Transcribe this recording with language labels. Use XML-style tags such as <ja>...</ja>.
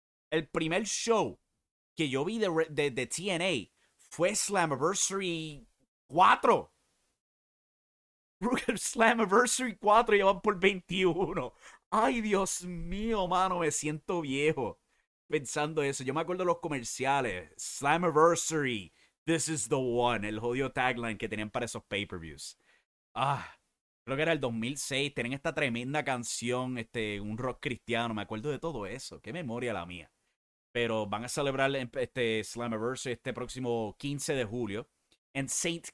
<es>El primer show que yo vi de TNA fue Slammiversary 4. Slammiversary 4 ya van por 21. Ay, Dios mío, mano, me siento viejo pensando eso. Yo me acuerdo de los comerciales.</es> <en>Slammiversary, this is the one.</en> <es>El jodido tagline que tenían para esos pay-per-views. Ah, creo que era el 2006. Tenían esta tremenda canción, un rock cristiano. Me acuerdo de todo eso. Qué memoria la mía. Pero van a celebrar este Slammiversary este próximo 15 de julio en St.</es>